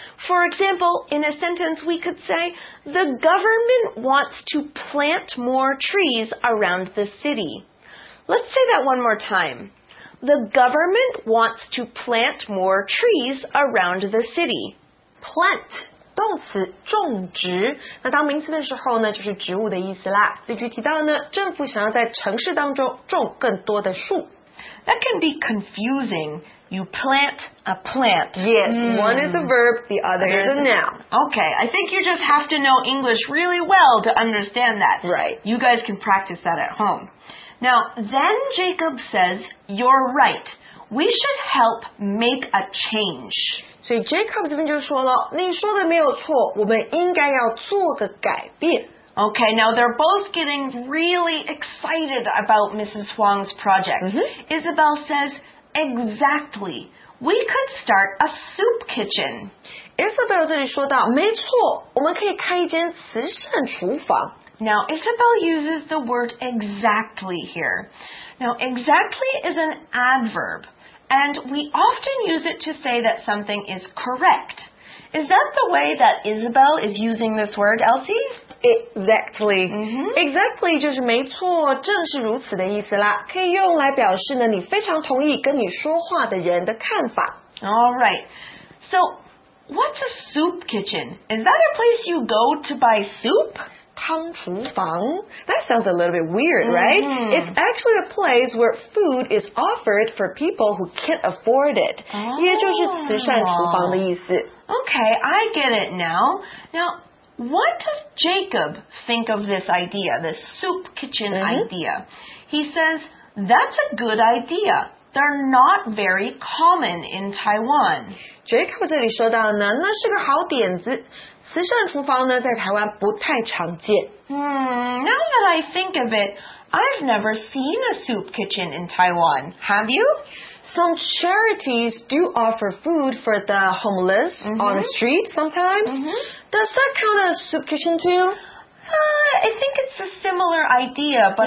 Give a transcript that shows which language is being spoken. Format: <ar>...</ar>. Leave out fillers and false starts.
<en>For example, in a sentence we could say, the government wants to plant more trees around the city. Let's say that one more time. The government wants to plant more trees around the city. Plant.</en> <zh>动词种植，那当名词的时候呢，就是植物的意思啦。例句提到呢，政府想要在城市当中种更多的树。</zh> <en>That can be confusing. You plant a plant. Yes,、mm. one is a verb, the other is a noun. Okay, I think you just have to know English really well to understand that. Right. You guys can practice that at home. Now, then Jacob says, you're right. We should help make a change.</en> <zh>所以 Jacob 这边就说了，你说的没有错，我们应该要做个改变。</zh> <en>Okay, now they're both getting really excited about Mrs. Huang's project.、 Mm-hmm. Isabel says, exactly, we could start a soup kitchen.</en> <zh>Isabel 这里说到，没错，我们可以开一间慈善厨房。</zh> <en>Now, Isabel uses the word exactly here. Now, exactly is an adverb. And we often use it to say that something is correct. Is that the way that Isabel is using this word, Elsie? Exactly.、 Mm-hmm.</en> <zh>Exactly 就是没错，正是如此的意思啦。可以用来表示呢，你非常同意跟你说话的人的看法。</zh> <en>All right. So, what's a soup kitchen? Is that a place you go to buy soup?</en> <zh>汤厨房?</zh> <en>That sounds a little bit weird, right?、 Mm-hmm. It's actually a place where food is offered for people who can't afford it.、 Oh.</en> <zh>也就是慈善厨房的意思。</zh> <en>Okay, I get it now. Now, what does Jacob think of this idea, this soup kitchen、 mm-hmm. idea? He says, that's a good idea. They're not very common in Taiwan.</en> <zh>Jacob 这里说到呢，那是个好点子。慈善厨房呢，在台湾不太常见。</zh> <en>Now that I think of it, I've never seen a soup kitchen in Taiwan. Have you? Some charities do offer food for the homeless、 mm-hmm. on the street sometimes.、 Mm-hmm. Does that count as a soup kitchen too? I think it's a similar idea, but、</en>